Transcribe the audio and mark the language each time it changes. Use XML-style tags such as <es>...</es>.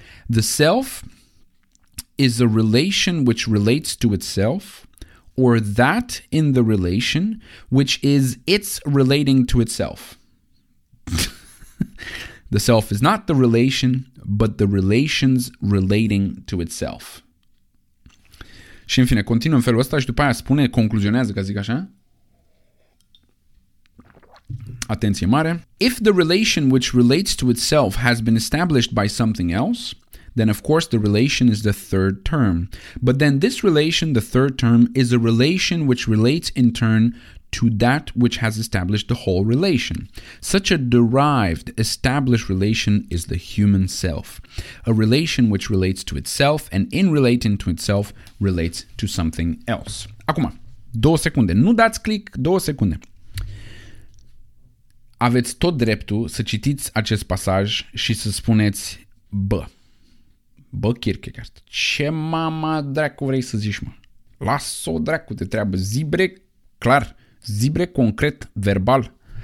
<en>The self is a relation which relates to itself, or that in the relation which is its relating to itself. The self is not the relation, but the relations relating to itself.</en> <ro>Și în fine, continuă în felul ăsta și după aia spune, concluzionează, ca zic așa. Atenție mare.</ro> <en>If the relation which relates to itself has been established by something else, then of course the relation is the third term. But then this relation, the third term, is a relation which relates in turn to that which has established the whole relation. Such a derived, established relation is the human self. A relation which relates to itself and in relating to itself relates to something else.</en> <ro>Acum, 2 secunde. Nu dați click, 2 secunde. Aveți tot dreptul să citiți acest pasaj și să spuneți, bă, Kierkegaard, ce mama dracu vrei să zici, mă? Las-o, dracu, de treabă, zibre, clar, zibre, concret, verbal.</ro>